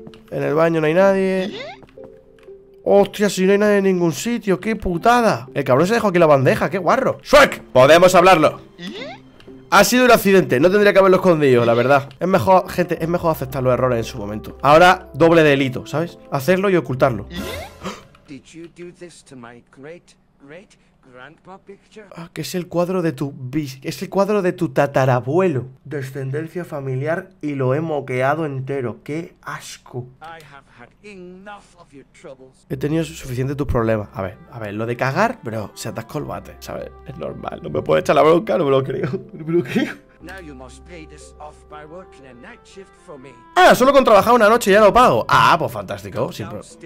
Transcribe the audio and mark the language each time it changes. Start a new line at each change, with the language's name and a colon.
Spanish: En el baño no hay nadie. Hostia, si no hay nadie en ningún sitio. Qué putada. El cabrón se dejó aquí la bandeja, qué guarro. Shrek, podemos hablarlo. Ha sido un accidente, no tendría que haberlo escondido, la verdad. Es mejor, gente, es mejor aceptar los errores en su momento. Ahora, doble delito, ¿sabes? Hacerlo y ocultarlo.
English: Did you do this to my great, great grandpa picture?
Spanish: Ah, que es el cuadro de tu es el cuadro de tu tatarabuelo. Descendencia familiar y lo he moqueado entero. ¡Qué asco!
English: I have had enough of your troubles.
Spanish: He tenido suficiente tus problemas. A ver, lo de cagar, bro, se atascó el bate, ¿sabes? Es normal, no me puedo echar la bronca, no me lo creo. No me lo creo.
English: Now you must pay this off by working a night shift for me.
Spanish: Ah, solo con trabajar una noche ya lo pago. Ah, pues fantástico. Siempre.